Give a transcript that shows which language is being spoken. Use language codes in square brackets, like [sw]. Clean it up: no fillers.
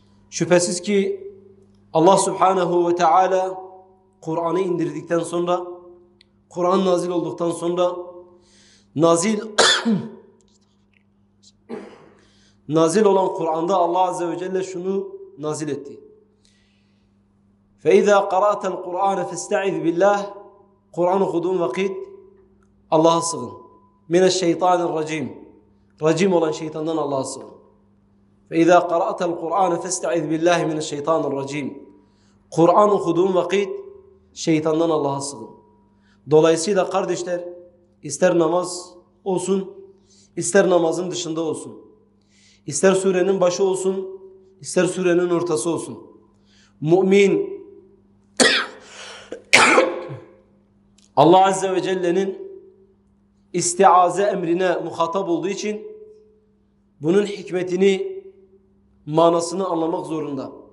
[tr] Şüphesiz ki Allah Subhanahu ve Teala Kur'an'ı indirdikten sonra, Kur'an nazil olduktan sonra nazil olan Kur'an'da Allah Azze ve Celle şunu nazil etti. [ar] فَإِذَا قَرَأْتَ الْقُرْآنَ فَاسْتَعِذْ بِاللّٰهِ [tr] Kur'an okuduğun vakit Allah'a sığın. [ar] مِنَ الشَّيْطَانِ الرَّجِيمِ [tr] Racim olan şeytandan Allah'a sığın. [ar] فَإِذَا قَرَأْتَ الْقُرْآنَ فَاسْتَعِذْ بِاللّٰهِ مِنَ الشَّيْطَانِ الرَّجِيمِ [tr] Kur'an okuduğun vakit şeytandan Allah'a sığın. Dolayısıyla kardeşler, ister namaz olsun, ister namazın dışında olsun, ister surenin başı olsun, ister surenin ortası olsun, mümin Allah Azze ve Celle'nin İstiaze emrine muhatap olduğu için bunun hikmetini, manasını anlamak zorunda.